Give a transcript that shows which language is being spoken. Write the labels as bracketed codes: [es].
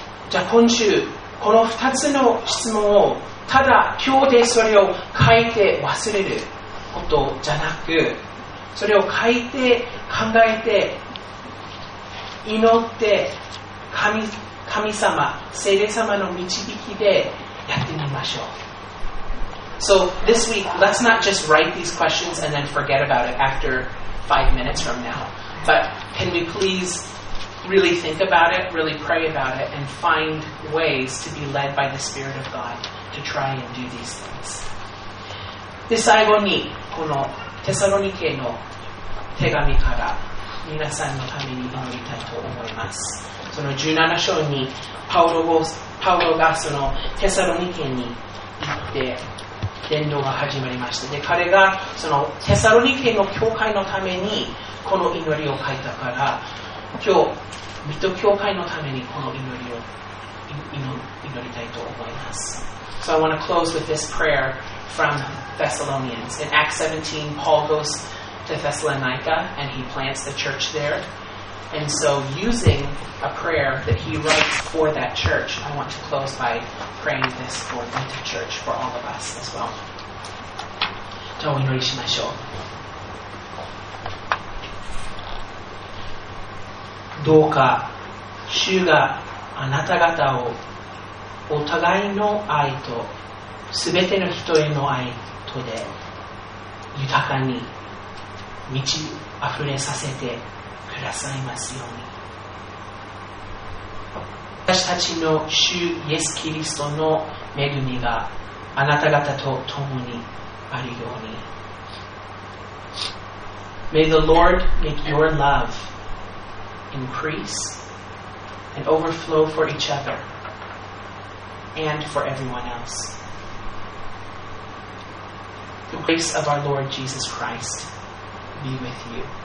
[ja] じゃあ今週、この2つの質問を、ただ今日でそれを書いて忘れることじゃなく、それを書いて、考えて、祈って、神様、聖霊様の導きで、やってみましょう。 [en] So this week, let's not just write these questions and then forget about it after 5 minutes from now. But can we please really think about it, really pray about it, and find ways to be led by the Spirit of God to try and do these things. [ja] で最後にこのテサロニケの手紙から皆さんのために祈りたいと思います。その17章にパウロがそのテサロニケに行って伝道が始まりました。で彼がそのテサロニケの教会のためにこの祈りを書いたから、今日水戸教会のためにこの祈りを祈りたいと思います。 [en] So I want to close with this prayer from Thessalonians. In Acts 17, Paul goes to Thessalonica and he plants the church there. And so using a prayer that he writes for that church, I want to close by praying this for the church, for all of us as well. [ja] じゃあお祈りしましょう。どうか主があなた方をお互いの愛とすべての人への愛とで豊かに満ちあふれさせてくださいますように。私たちの主イエス・キリストの恵みがあなた方と共にあるように。 [en] May the Lord make your love increase and overflow for each other and for everyone else. The grace of our Lord Jesus Christ be with you.